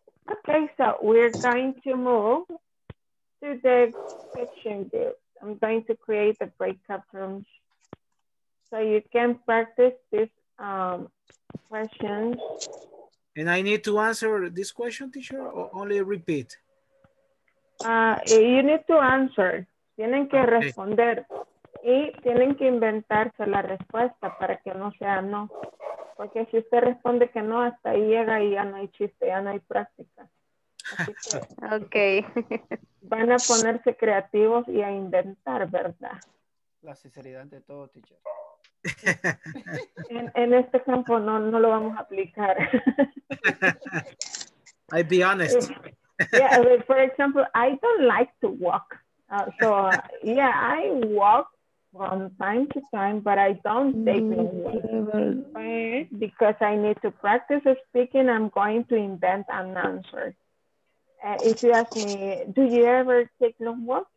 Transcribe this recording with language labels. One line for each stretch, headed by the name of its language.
English: Okay, so we're going to move to the section group. I'm going to create a breakout room so you can practice this questions. And I need to answer this question, teacher, or only repeat? You need to answer.
Spanish: Tienen que responder. Y tienen que inventarse la respuesta para que no sea no. Porque si usted responde que no, hasta ahí llega y ya no hay chiste, ya no hay práctica. Así que, ok. Van a ponerse creativos y a inventar, ¿verdad? La sinceridad de todo, teacher. En este campo no lo vamos a aplicar.
English: I'll be honest. Yeah, for example, I don't like to walk. I walk from time to time, but I don't take me because I need to practice speaking. I'm going to invent an answer. If you ask me, do you ever take long walks?